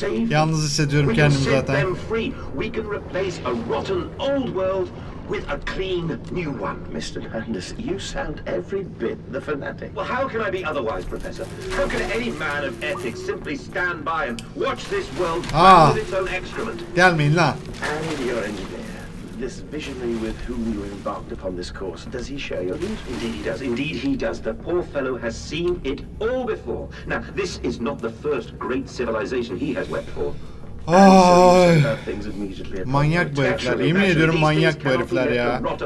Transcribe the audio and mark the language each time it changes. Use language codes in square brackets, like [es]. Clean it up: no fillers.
[tr] Yalnız hissediyorum kendimi zaten. [en] We can replace a rotten old world with a clean new one. Mr. Landis, you sound every bit the fanatic. Well, how can I be otherwise, Professor? How can any man of ethics simply stand by and watch this world with its own excrement? [tr] Gelmeyin lan. [en] And your engineer, this visionary with whom you embarked upon this course, does he share your views? Indeed he does. The poor fellow has seen it all before. Now, this is not the first great civilization he has wept for. [tr] Ay. Manyak bu herifler. Yemin ediyorum manyak bu herifler ya.